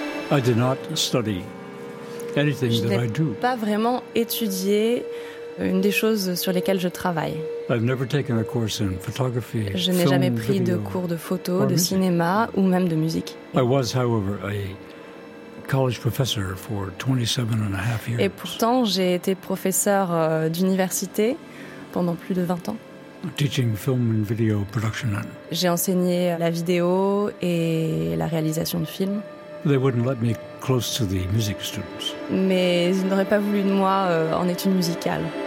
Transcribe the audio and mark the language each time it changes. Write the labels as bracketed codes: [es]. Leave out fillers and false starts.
[en] I did not study anything that I do. [fr] Je n'ai pas vraiment étudié une des choses sur lesquelles je travaille. [en] I've never taken a course in photography, film, [fr] je n'ai jamais pris de cours de photo, de cinéma ou même de musique. [en] I was, however, a college professor for 27 and a half years. [fr] Et pourtant, j'ai été professeur d'université pendant plus de 20 ans. [en] Teaching film and video production. [fr] J'ai enseigné la vidéo et la réalisation de films. [en] They wouldn't let me close to the music students. [fr] Mais ils n'auraient pas voulu de moi en études musicales.